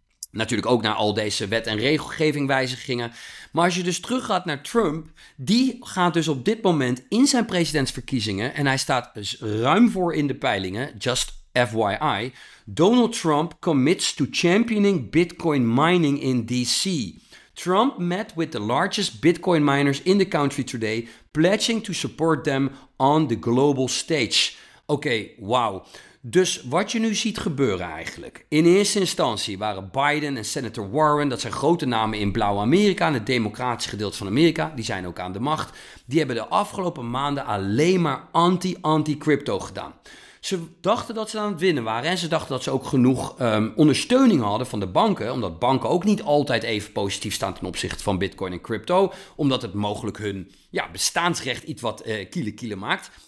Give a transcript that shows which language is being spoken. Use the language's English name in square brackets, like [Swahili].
[Dutch] Natuurlijk ook naar al deze wet- en regelgevingwijzigingen. Maar als je dus teruggaat naar Trump, die gaat dus op dit moment in zijn presidentsverkiezingen, en hij staat dus ruim voor in de peilingen, [English] just FYI, Donald Trump commits to championing Bitcoin mining in DC. Trump met with the largest Bitcoin miners in the country today, pledging to support them on the global stage. [Dutch] Oké, wauw. Dus wat je nu ziet gebeuren eigenlijk. In eerste instantie waren Biden en Senator Warren, dat zijn grote namen in blauw Amerika, in het democratische gedeelte van Amerika, die zijn ook aan de macht. Die hebben de afgelopen maanden alleen maar anti-crypto gedaan. Ze dachten dat ze aan het winnen waren en ze dachten dat ze ook genoeg ondersteuning hadden van de banken, omdat banken ook niet altijd even positief staan ten opzichte van Bitcoin en crypto, omdat het mogelijk hun bestaansrecht iets wat kiele maakt.